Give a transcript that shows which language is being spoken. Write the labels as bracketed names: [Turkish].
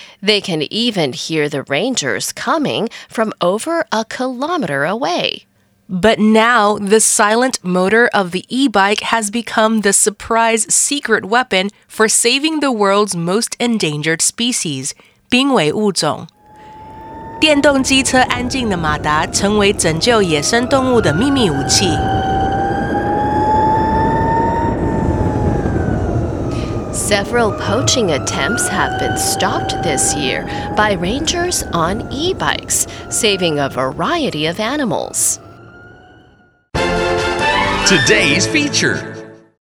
[English] They can even hear the rangers coming from over a kilometer away. But now, the silent motor of the e-bike has become the surprise secret weapon for saving the world's most endangered species, 濒危物种。 [Chinese] 电动机车安静的马达成为拯救野生动物的秘密武器。 [English] Several poaching attempts have been stopped this year by rangers on e-bikes, saving a variety of animals. Today's feature.